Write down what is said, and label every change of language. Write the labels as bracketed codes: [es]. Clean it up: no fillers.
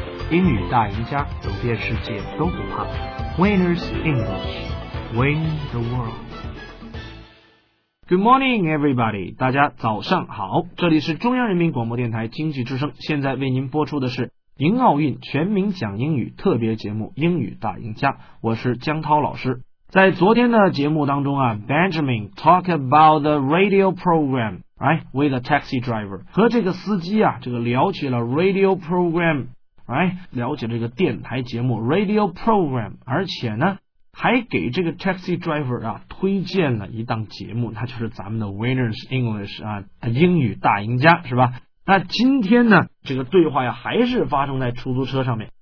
[zh] 英语大赢家，走遍世界都不怕。 [en] Winners English, win the world. Good morning, everybody. [zh] 大家早上好，这里是中央人民广播电台经济之声，现在为您播出的是迎奥运全民讲英语特别节目《英语大赢家》，我是江涛老师。在昨天的节目当中啊 [en] ，Benjamin talk about the radio program, right? With a taxi driver [zh] 和这个司机啊，这个聊起了 [en] radio program, right? [zh] 聊起了这个电台节目 [en] radio program, [zh] 而且呢，还给这个 taxi driver 啊推荐了一档节目，那就是咱们的 Winners English 啊，英语大赢家是吧？那今天呢，这个对话呀还是发生在出租车上面。